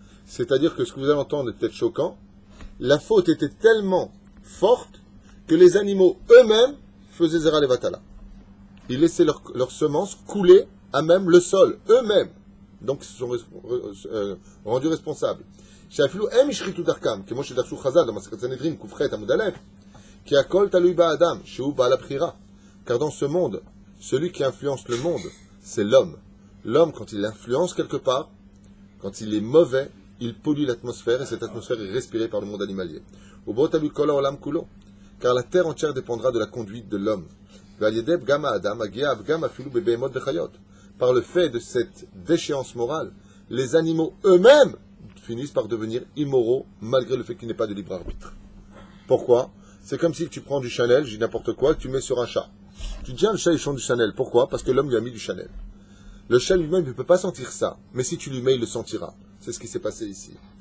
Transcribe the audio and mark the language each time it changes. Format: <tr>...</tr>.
<fr>C'est-à-dire que ce que vous allez entendre est peut-être choquant, la faute était tellement forte que les animaux eux-mêmes faisaient zera levatala. Ils laissaient leurs semences couler à même le sol, eux-mêmes. Donc, ils se sont rendus responsables.</fr> <he>שאפילו הם ישחיתו דרכם, כמו שדרשו חז"ל במסכת סנהדרין, קופחי את עמוד הלב, כי הכל תלוי באדם, שהוא בעל הבחירה.</he> <fr>Car dans ce monde, celui qui influence le monde, c'est l'homme. L'homme, quand il influence quelque part, quand il est mauvais, il pollue l'atmosphère, et cette atmosphère est respirée par le monde animalier.</fr> <he>ובו תלוי כל העולם כולו,</he> <fr>car la terre entière dépendra de la conduite de l'homme.</fr> <he>ועל ידי פגם האדם, הגיע הפגם אפילו בבהמות וחיות.</he> <fr>Par le fait de cette déchéance morale, les animaux eux-mêmes finissent par devenir immoraux malgré le fait qu'il n'ait pas de libre arbitre. Pourquoi? C'est comme si tu prends du Chanel, je dis n'importe quoi, tu mets sur un chat. Tu dis, ah, le chat, il chante du Chanel. Pourquoi? Parce que l'homme lui a mis du Chanel. Le chat lui-même ne peut pas sentir ça, mais si tu lui mets, il le sentira. C'est ce qui s'est passé ici.</fr>